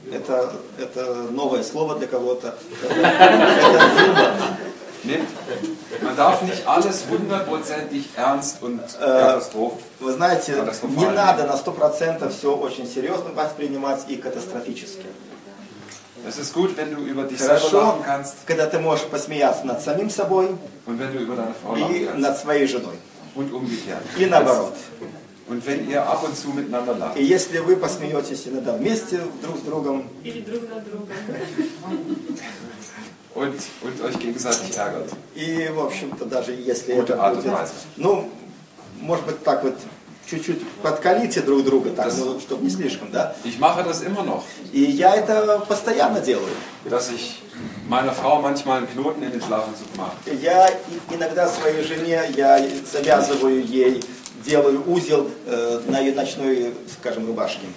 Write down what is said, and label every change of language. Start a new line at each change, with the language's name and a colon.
Russian: Это новое слово для кого-то. Нет.
German: Man darf nicht alles hundertprozentig ernst und katastrophal.
Russian: Вы знаете, не надо на 100% все очень серьезно воспринимать и катастрофически.
German: Es ist gut, wenn du über dich selber lachen kannst.
Russian: Когда ты можешь посмеяться над самим собой
German: und wenn du über deine Frau
Russian: и над своей женой.
German: Und umgekehrt.
Russian: И наоборот.
German: Und wenn ihr ab und zu miteinander lacht.
Russian: И если вы посмеетесь иногда вместе друг с другом. Или друг на друга.
German: Und euch gegenseitig ärgert.
Russian: И в общем-то даже если это будет, ну, может быть так вот чуть-чуть подкалите друг друга, так, das, ну, чтобы не слишком, да?
German: Ich mache das immer noch.
Russian: И я это постоянно делаю.
German: Dass ich meiner Frau manchmal einen Knoten in den Schlafanzug mache.
Russian: Я иногда своей жене я завязываю ей делаю узел на ее ночной, скажем, рубашке.